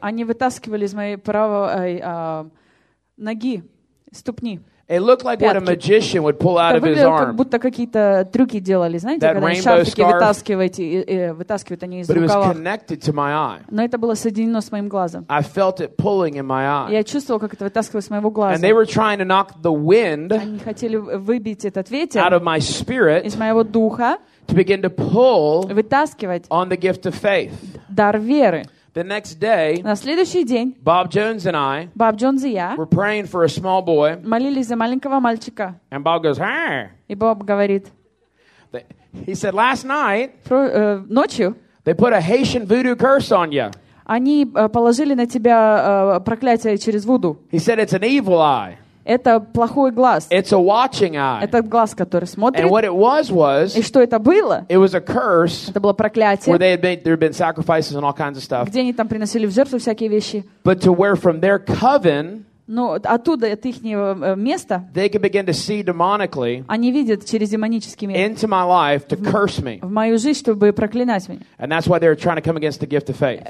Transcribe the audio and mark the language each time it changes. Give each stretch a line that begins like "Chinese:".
Russian: Они вытаскивали из моей правой ноги, ступни.
English: It looked like what a magician would pull out of his arm.
Russian: Как будто какие-то трюки делали, знаете, когда они шарфики вытаскивают они из рукава.
English: But it was connected to my eye.
Russian: Но это было соединено с моим глазом.
English: I felt it pulling in my eye.
Russian: Я чувствовал, как это вытаскивалось с моего глаза.
English: And they were trying to knock the wind.
Russian: Они хотели выбить этот ветер
English: out of my spirit.
Russian: Из моего духа.
English: To begin to pull.
Russian: Вытаскивать.
English: On the gift of faith.
Russian: Дар веры.
English: The next day,
Russian: на следующий день,
English: Bob Jones and I,
Russian: Bob Jones и я,
English: were praying for a small boy,
Russian: молились за маленького мальчика.
English: And Bob goes, "Hey."
Russian: И Боб говорит,
English: he said, "Last night,
Russian: ночью,
English: they put a Haitian voodoo curse on you."
Russian: Они положили на тебя проклятие через вуду.
English: He said, "It's an evil eye."
Russian: Это плохой глаз.
English: It's a watching eye.
Russian: Это глаз, который смотрит.
English: And what it was,
Russian: и что это было?
English: It was a curse,
Russian: это было проклятие.
English: Where there had been sacrifices and all kinds of stuff.
Russian: Где они там приносили в жертву всякие вещи.
English: But to where from their coven,
Russian: но оттуда, от их места,
English: they could begin to see demonically,
Russian: они видят через демонический мир,
English: into my life to curse me.
Russian: В мою жизнь, чтобы проклинать меня.
English: And that's why they were trying to come against the gift of faith.